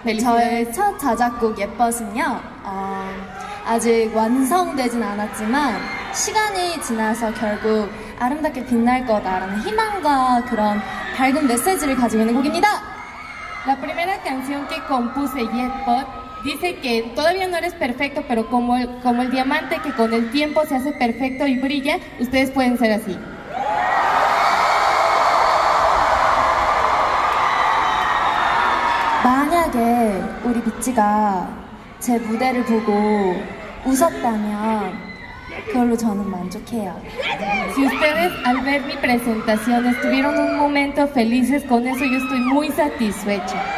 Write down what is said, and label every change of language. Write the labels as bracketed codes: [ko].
[ko] 저의 첫 자작곡 예뻐은요 아직 완성되진 않았지만 시간이 지나서 결국 아름답게 빛날 거다라는 희망과 그런 밝은 메시지를 가지고 있는 곡입니다. [es] La primera canción que compuse yetpot dice que todavía no eres perfecto, pero como el diamante que con el tiempo se hace perfecto y brilla, ustedes pueden ser así. [ko] 만약에 우리 빛지가 제 무대를 보고 웃었다면 그걸로 저는 만족해요. [es] Si ustedes al ver mi presentación estuvieron un momento felices con eso, yo estoy muy satisfecho.